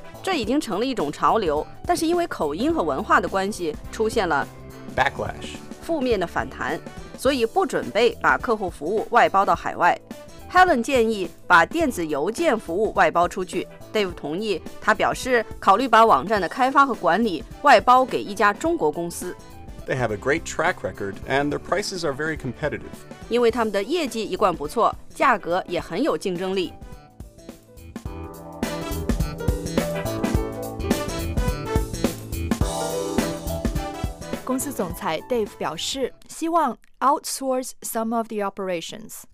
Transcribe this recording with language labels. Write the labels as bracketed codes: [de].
[zh] 这已经成了一种潮流，但是因为口音和文化的关系，出现了 [en] backlash [zh] 负面的反弹，所以不准备把客户服务外包到海外。 Helen 建议把电子邮件服务外包出去。 Dave 同意，他表示考虑把网站的开发和管理外包给一家中国公司。 [en] They have a great track record and their prices are very competitive. [zh] 因为他们的业绩一贯不错，价格也很有竞争力。公司总裁 Dave 表示，希望 [en] outsource some of the operations.